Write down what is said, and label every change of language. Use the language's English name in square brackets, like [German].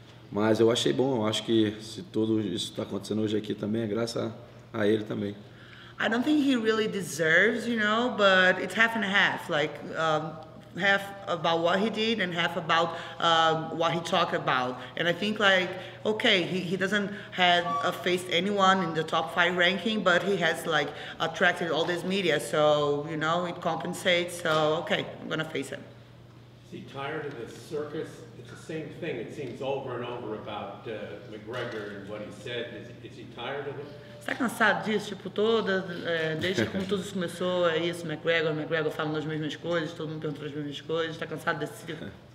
[Portuguese] Mas eu achei bom, eu acho que se tudo isso está acontecendo hoje aqui também, é graças a... A ele também. [English] I don't think he really deserves, you know, but it's half and half, like half about what he did and half about what he talked about. And I think like, okay, he doesn't have faced anyone in the top 5 ranking, but he has like attracted all this media, so, you know, it compensates, so okay, I'm gonna face him. Is he tired of the circus? It's the same thing, it seems over and over about McGregor and what he said. Is he tired of it? [Portuguese] Tá cansado disso? Tipo, desde que tudo isso começou, é isso, McGregor falando as mesmas coisas, todo mundo perguntando as mesmas coisas, tá cansado desse ciclo?